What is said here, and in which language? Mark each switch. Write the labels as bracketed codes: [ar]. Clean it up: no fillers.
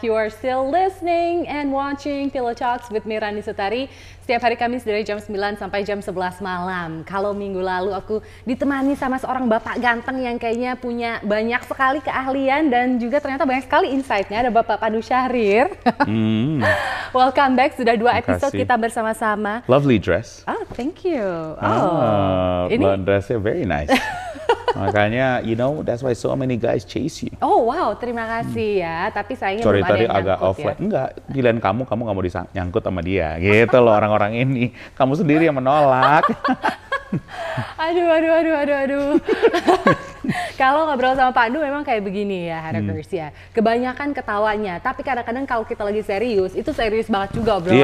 [en] You are still listening and watching Pillow Talks with Mirani Sutari. [id] Setiap hari Kamis dari jam 9 sampai jam 11 malam. Kalau minggu lalu aku ditemani sama seorang bapak ganteng yang kayaknya punya banyak sekali keahlian dan juga ternyata banyak sekali insight-nya, ada Bapak Pandu Syahrir. [en] Welcome back. [id] Sudah 2 episode kita bersama-sama. [en] Lovely dress. Oh, thank you. [id] Ini dressnya [en] very nice. [id] Makanya, [en] you know, that's why so many guys chase you. [id] Oh wow, terima kasih ya. Tapi sayangnya belum ada yang nyangkut. Sorry, tadi agak offline. Enggak, pilihan kamu gak mau nyangkut sama dia. Gitu loh orang-orang ini. Kamu sendiri yang menolak. aduh. Kalau ngobrol sama Pandu memang kayak begini ya, Harakers ya. Kebanyakan ketawanya, tapi kadang-kadang kalau kita lagi serius, itu serius banget juga obrolannya.